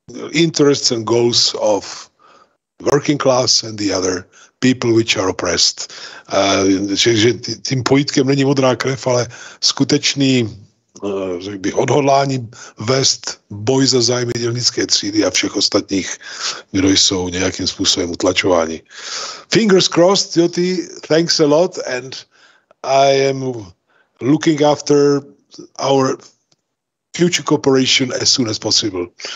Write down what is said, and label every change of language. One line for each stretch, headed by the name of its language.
English: interests and goals of working class and the other people which are oppressed.
Czech: Že tím pojítkem není modrá krev, ale skutečný odhodlání vést boj za zájmy dělnické třídy a všech ostatních, kdo jsou nějakým způsobem utlačováni.
English: Fingers crossed, Joti, thanks a lot, and I am looking after our future cooperation as soon as possible.